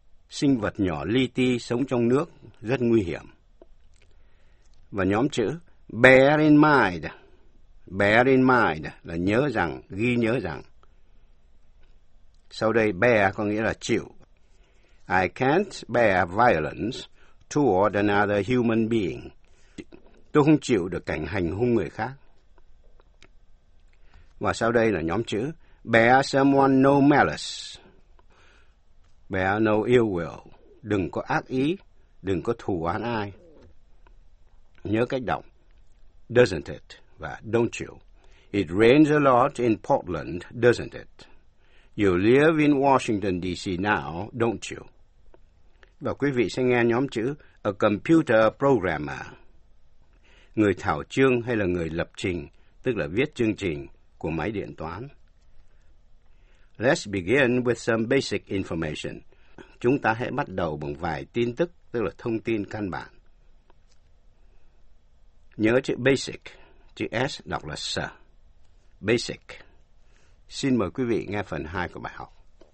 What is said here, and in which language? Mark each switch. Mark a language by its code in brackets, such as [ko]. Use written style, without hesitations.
[vi] Sinh vật nhỏ li ti sống trong nước rất nguy hiểm. Và nhóm chữ, bear in mind. [en] Bear in mind [vi] là nhớ rằng, ghi nhớ rằng. Sau đây bear có nghĩa là chịu. [en] I can't bear violence toward another human being. [vi] Tôi không chịu được cảnh hành hung người khác. Và sau đây là nhóm chữ. [en] Bear someone no malice. Bear no ill will. [vi] Đừng có ác ý. Đừng có thù oán ai. Nhớ cách đọc. [en] Doesn't it? [vi] Và [en] don't you? It rains a lot in Portland, doesn't it? You live in Washington, D.C. now, don't you? [vi] Và quý vị sẽ nghe nhóm chữ a computer programmer. Người thảo chương hay là người lập trình, tức là viết chương trình của máy điện toán. [en] Let's begin with some basic information. [vi] Chúng ta hãy bắt đầu bằng vài tin tức, tức là thông tin căn bản. Nhớ chữ basic, chữ S đọc là S. Basic. Xin mời quý vị nghe phần 2 của bài học.